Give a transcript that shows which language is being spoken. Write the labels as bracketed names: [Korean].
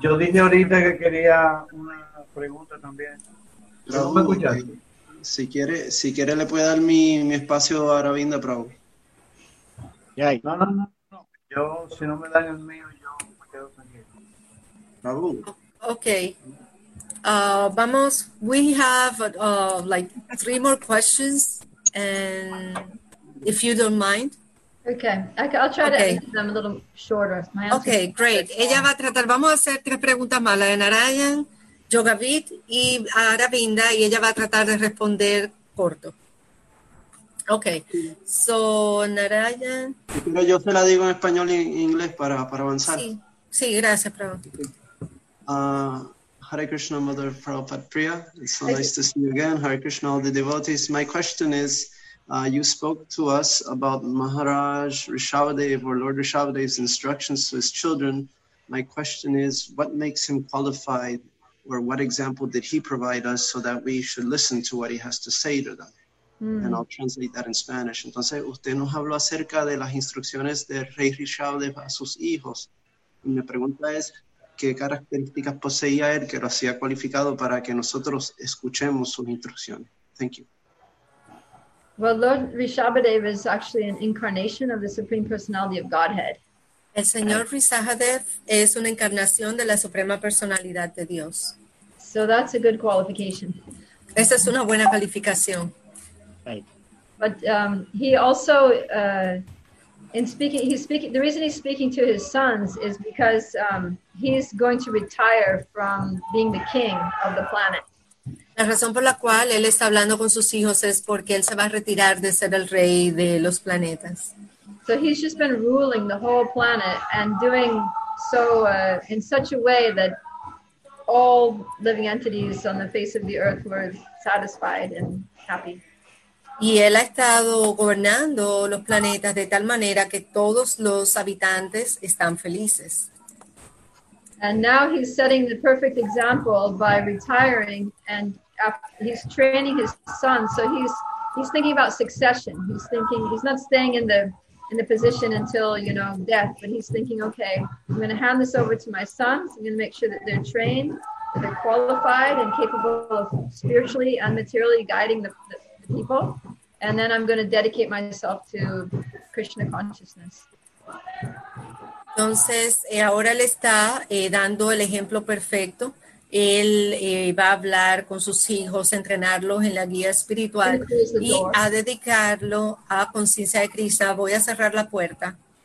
[Spanish] Yo dije ahorita que quería una pregunta también. ¿Pero me escuchaste? Si quiere le puede dar mi espacio a Aravinda Prabhu. [English] Yeah. No, no, no, no. [Spanish] Yo, si no me dan el mío, yo me quedo tranquilo. [English] Okay. [Spanish] Vamos, [English] we have like three more questions, and if you don't mind. Okay, I'll try okay. to answer them a little shorter. My okay, great. [Spanish] Ella va a tratar, vamos a hacer tres preguntas más, la de Narayan, Yogavit y Aravinda, y ella va a tratar de responder corto. [English] Okay, so Narayan. [Spanish] Pero yo se la digo en español e inglés para avanzar. Sí, sí, gracias, Prabhu. [English] Hare Krishna, Mother Prabhupada Priya. It's so nice to see you again. Hare Krishna, all the devotees. My question is, you spoke to us about Maharaj Rishabhadev or Lord Rishabhadev's instructions to his children. My question is, what makes him qualified, or what example did he provide us so that we should listen to what he has to say to them? Mm. And I'll translate that in Spanish. [Spanish] Entonces, usted nos habló acerca de las instrucciones de Rey Rishabhadev a sus hijos. Y mi pregunta es, ¿qué características poseía él que lo hacía cualificado para que nosotros escuchemos sus instrucciones? [English] Thank you. Well, Lord Rishabhadev is actually an incarnation of the Supreme Personality of Godhead. [Spanish] El Señor Rishabhadev es una encarnación de la Suprema Personalidad de Dios. [English] So that's a good qualification. [Spanish] Esa es una buena calificación. [English] But he also, in speaking, he's speaking, the reason he's speaking to his sons is because he's going to retire from being the king of the planet. [Spanish] La razón por la cual él está hablando con sus hijos es porque él se va a retirar de ser el rey de los planetas. [English] So he's just been ruling the whole planet and doing so in such a way that all living entities on the face of the earth were satisfied and happy. [Spanish] Y él ha estado gobernando los planetas de tal manera que todos los habitantes están felices. [English] And now he's setting the perfect example by retiring, and he's training his son. So he's thinking about succession. He's thinking, he's not staying in the position until, you know, death, but he's thinking, okay, I'm going to hand this over to my sons. I'm going to make sure that they're trained, that they're qualified and capable of spiritually and materially guiding the people. And then I'm going to dedicate myself to Krishna consciousness. [Spanish] Entonces, ahora le está dando el ejemplo perfecto. Él va a hablar con sus hijos, entrenarlos en la guía espiritual y a dedicarlo a conciencia de Krishna. Voy a cerrar la puerta.